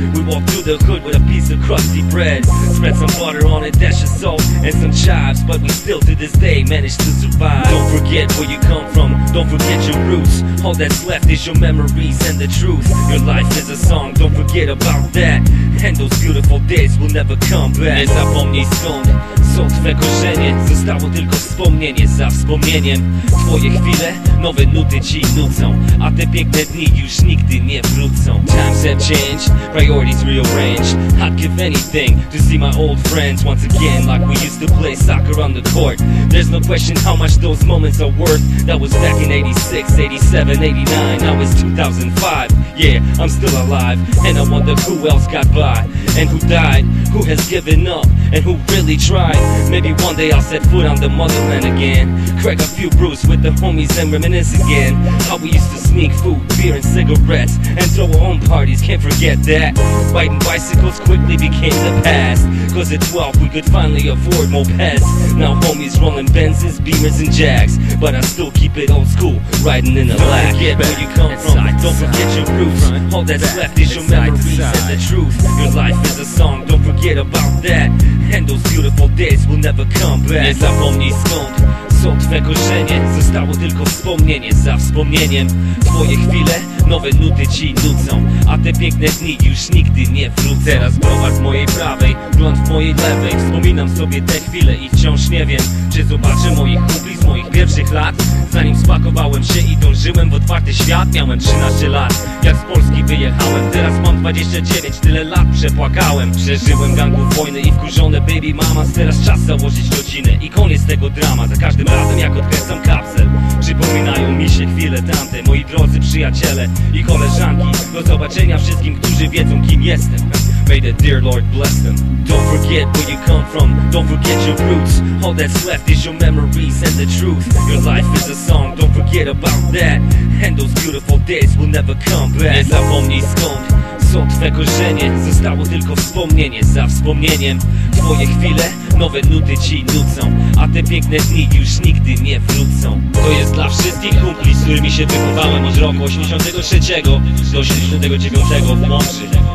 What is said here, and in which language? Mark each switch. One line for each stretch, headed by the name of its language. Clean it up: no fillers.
English: We walked through the hood with a piece of crusty bread, spread some butter on it, dash of salt and some chives. But we still to this day managed to survive. Don't forget where you come from, don't forget your roots. All that's left is your memories and the truth. Your life is a song, don't forget about that. And those beautiful days will never come back.
Polish: Nie zapomnij skąd są twe korzenie. Zostało tylko wspomnienie za wspomnieniem. Twoje chwile, nowe nuty ci nucą, a te piękne dni już nigdy nie wrócą.
English: Times have changed, priorities rearranged. I'd give anything to see my old friends once again, like we used to play soccer on the court. There's no question how much those moments are worth. That was back in 86, 87, 89. Now it's 2005. Yeah, I'm still alive, and I wonder who else got by, and who died, who has given up, and who really tried. Maybe one day I'll set foot on the motherland again, crack a few brews with the homies and reminisce again. How we used to sneak food, beer and cigarettes, and throw our own parties, can't forget that. Riding bicycles quickly became the past, 'cause at 12 we could finally afford mopeds. Now homies rolling Benzes, Beamers and Jags, but I still keep it old school, riding in the black. Don't forget where you come from, don't forget your roots. All that's left is your memories and the truth. Your life is a song, don't forget about that. And those beautiful days will never come back.
Polish: Nie zapomnij skąd są twe korzenie. Zostało tylko wspomnienie za wspomnieniem. Twoje chwile, nowe nuty ci nucą, a te piękne dni już nigdy nie wrócą. Teraz prowadź mojej prawej, blond w mojej lewej. Wspominam sobie te chwile i wciąż nie wiem, czy zobaczę moich kumpli z moich pierwszych lat. Zanim spakowałem się i dążyłem w otwarty świat, miałem 13 lat, jak z Polski wyjechałem. Teraz mam 29, tyle lat przepłakałem. Przeżyłem gangów wojny i wkurzone baby mama. Teraz czas założyć rodzinę i koniec tego drama. Za każdym razem jak odkręcam kapsel, przypominają mi się chwile tamte. Moi drodzy przyjaciele i koleżanki, do zobaczenia wszystkim, którzy wiedzą kim jestem.
English: May the dear Lord bless them. Don't forget where you come from, don't forget your roots. All that's left is your memories and the truth. Your life is a song, don't forget about that. And those beautiful days will never come back.
Polish: Nie zapomnij skąd są twe korzenie. Zostało tylko wspomnienie za wspomnieniem. Twoje chwile, nowe nuty ci nucą, a te piękne dni już nigdy nie wrócą. To jest dla wszystkich kumpli, z którymi się wychowałem od roku 83 do 89 w Mączy.